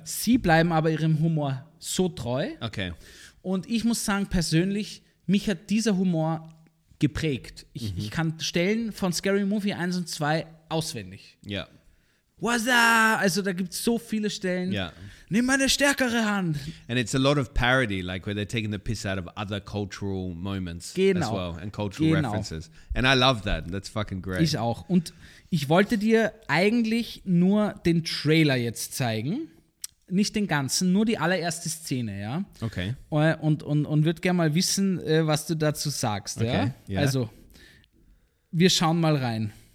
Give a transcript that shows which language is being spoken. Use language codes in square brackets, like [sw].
[de] Sie bleiben aber ihrem Humor so treu. Okay. Und ich muss sagen, persönlich, mich hat dieser Humor geprägt. Ich kann Stellen von Scary Movie 1 und 2 auswendig. Ja. [en] What's up? [de] Also da gibt es so viele Stellen. Ja. Nimm meine stärkere Hand. [en] And it's a lot of parody, like where they're taking the piss out of other cultural moments [de] genau. [en] as well. And cultural genau. references. And I love that. That's fucking great. [de] Ich auch. Und ich wollte dir eigentlich nur den Trailer jetzt zeigen. Nicht den ganzen, nur die allererste Szene, ja. Okay. Und würde gerne mal wissen, was du dazu sagst, okay. ja. [en] Yeah. [de] Also, wir schauen mal rein.